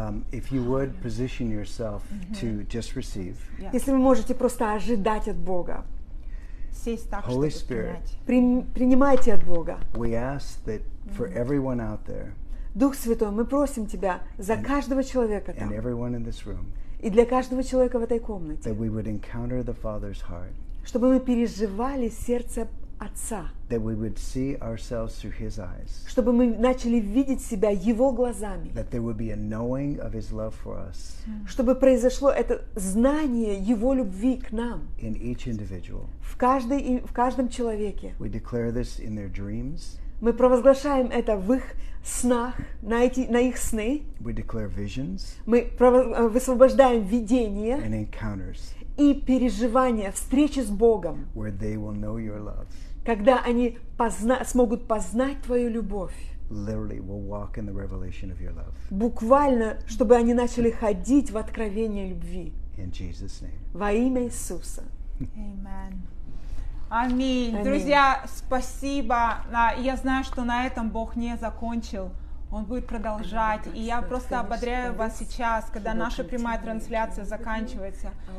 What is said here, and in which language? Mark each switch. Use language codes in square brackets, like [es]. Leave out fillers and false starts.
[en] If you would position yourself to just receive. [ru] Если вы можете просто ожидать от Бога. Сесть так, [en] Holy [ru] чтобы [en] Spirit, [ru] принять. Принимайте от Бога. [en] We ask that for everyone out there. [ru] Дух Святой, мы просим тебя за каждого человека там. [en] And everyone in this room. [ru] И для каждого человека в этой комнате. [en] That we would encounter the Father's heart. [ru] Чтобы мы переживали сердце Отца. [en] That we would see ourselves through His eyes. [ru] Чтобы мы начали видеть себя Его глазами. [en] That there would be a knowing of His love for us. [ru] Чтобы произошло это знание Его любви к нам. [en] In each individual. [ru] В каждом человеке. [en] We declare this in their dreams. [ru] Мы провозглашаем это в их снах, на их сны. [en] We declare visions. [ru] Мы высвобождаем видения. [en] And encounters. [ru] И переживания, встречи с Богом. [en] Where they will know your love. [ru] Когда они смогут познать твою любовь. [en] Literally, will walk in the revelation of your love. [ru] Буквально, чтобы они начали ходить в откровение любви. [en] In Jesus' name. [ru] Во имя Иисуса. Amen. Аминь. Друзья, спасибо. Я знаю, что на этом Бог не закончил. Он будет продолжать. И я просто ободряю вас сейчас, когда наша прямая трансляция заканчивается.